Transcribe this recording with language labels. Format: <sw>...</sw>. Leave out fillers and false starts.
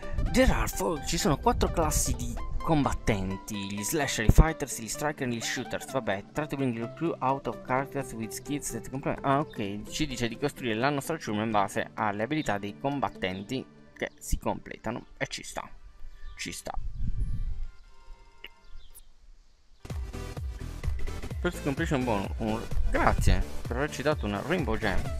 <it>Gerard, ci sono quattro classi di combattenti: gli slasher, i fighters, gli striker e gli shooters.</it> <en>Vabbè, try to bring the crew out of characters with skills that complement. Ah, ok.</en> <it>Ci dice di costruire la nostra ciurma in base alle abilità dei combattenti. Che si completano e ci sta.</it> <en>First completion bonus.</en> <it>Grazie per averci dato una rainbow gem.</it>